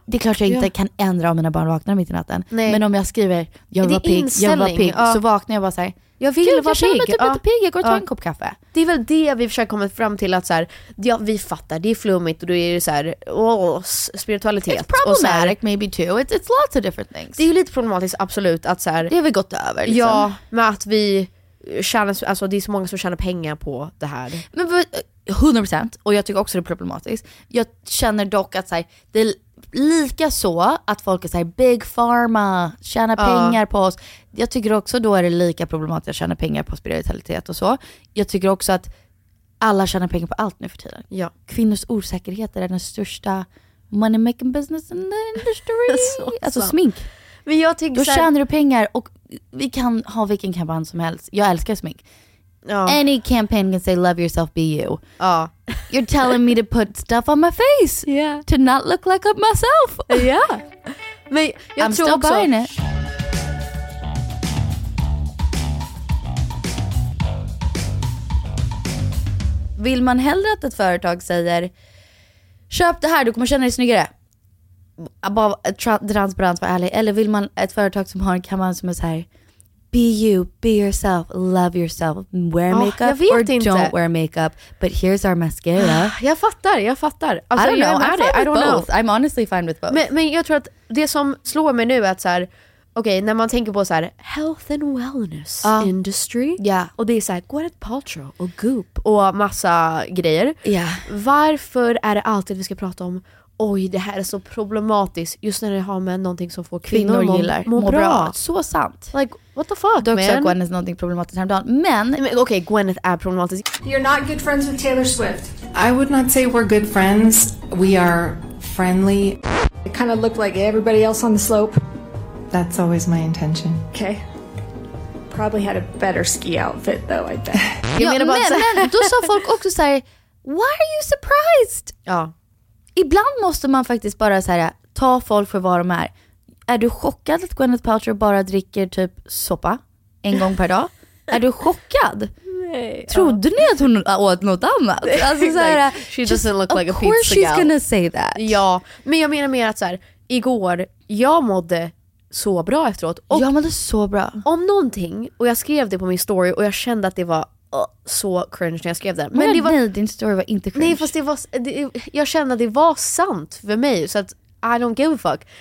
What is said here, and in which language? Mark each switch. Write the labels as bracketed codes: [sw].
[sv] Det är klart jag inte kan ändra om mina barn vaknar mitt i natten. Nej. Men om jag skriver jag vill vara pigg, jag vill vara pigg, så vaknar jag bara såhär, jag vill vara pigg. Jag känner mig typ lite pigg, jag går och tar en kopp kaffe. Det är väl det vi försöker komma fram till, att så här, ja, vi fattar, det är flummigt och då är det såhär spiritualitet. [en] It's problematic [sv] och så här, [en] maybe too, it's lots of different things. [sv] Det är ju lite problematiskt, absolut, att så här, det har vi gått över liksom. Ja, med att vi tjänar, alltså det är så många som tjänar pengar på det här. Men 100%, och jag tycker också det är problematiskt. Jag känner dock att så här, det är lika så att folk är så här, big pharma, tjäna pengar på oss. Jag tycker också då är det lika problematiskt att tjäna pengar på spiritualitet och så. Jag tycker också att alla tjänar pengar på allt nu för tiden. Ja. Kvinnors osäkerhet är den största [en] money making business in the industry. [sv] alltså smink. Men jag tycker då så här, tjänar du pengar, och vi kan ha vilken kampanj som helst. Jag älskar smink. [en] Any campaign can say love yourself, be you. You're telling me to put stuff on my face to not look like up myself. Yeah. [sv] Men jag [en] I'm [sv] tror [en] still [sv] också [en] buying it. [sv] Vill man hellre att ett företag säger köp det här, du kommer känna dig snyggare, transparens, vara ärlig, eller vill man ett företag som har en kampanj som är så här, [en] be you, be yourself, love yourself, wear makeup or [sv] inte. [en] Don't wear makeup, but here's our mascara. [sv] Jag fattar. [en] Alltså, I don't know. I'm honestly fine with both. [sv] Men jag tror att det som slår mig nu är att så här, okej, när man tänker på så här [en] health and wellness industry. Yeah. [sv] Och det är så här Gwyneth Paltrow och Goop och massa grejer. [en] Yeah. [sv] Varför är det alltid vi ska prata om, oj, det här är så problematiskt, just när det har med någonting som får kvinnor gillar må bra. Så sant. [en] Like, what the fuck, [sv] man? Du också har Gwyneth någonting problematiskt häromdagen. Men okej, Gwyneth är problematisk. [en] You're not good friends with Taylor Swift. I would not say we're good friends. We are friendly. It kind of looked like everybody else on the slope. That's always my intention. Okay. Probably had a better ski outfit though, I bet. [sv] Ja, men då sa folk också såhär, [en] why are you surprised? [sv] Ja. Ibland måste man faktiskt bara säga, ta folk för vad de är. Är du chockad att Gwyneth Paltrow bara dricker typ soppa en gång per dag? Är du chockad? Nej. Trodde ni att hon åt något annat? Alltså så här, [en] she doesn't look like a pizza girl. Of course she's gonna say that. [sv] Ja, men jag menar mer att så här, igår, jag mådde så bra efteråt. Och jag mådde så bra. Om någonting, och jag skrev det på min story och jag kände att det var så cringe när jag skrev det. Men det var, nej, din story var inte cringe. Nej, fast det var, jag kände att det var sant för mig, så att [en] I don't give a fuck.